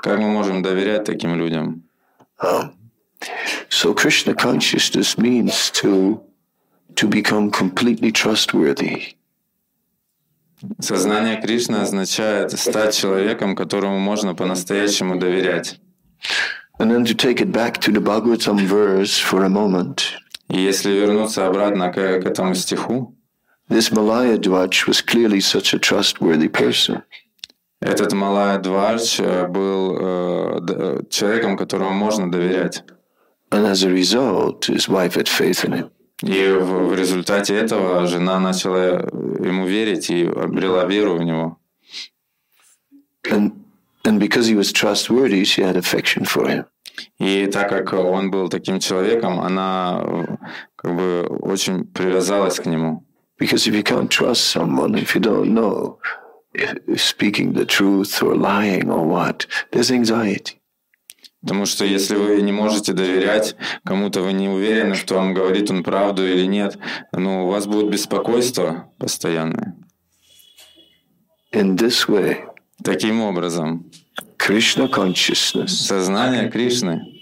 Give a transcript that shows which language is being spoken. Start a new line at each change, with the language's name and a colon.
Russian: Как мы можем доверять таким людям?
English: So Krishna consciousness means to become completely trustworthy.
Russian: Сознание Кришны означает стать человеком, которому можно по-настоящему доверять.
English: And then to take it back to the Bhagavatam verse for a moment.
Russian: И если вернуться обратно к этому стиху,
English: this Malaya Dvaj was clearly such a trustworthy person.
Russian: Этот Малая Дварж был человеком, которому можно доверять.
English: And as a result, his wife had faith in him.
Russian: И в результате этого жена начала ему верить и обрела веру в него.
English: And because he was trustworthy, she had affection for him.
Russian: И так как он был таким человеком, она как бы очень привязалась к нему.
English: Because if you can't trust someone, if you don't know if speaking the truth or lying or what, there's anxiety.
Russian: Потому что если вы не можете доверять кому-то, вы не уверены, что он говорит он правду или нет, ну у вас будет беспокойство постоянное.
English: In this way.
Russian: Таким образом.
English: Krishna consciousness.
Russian: Сознание Кришны.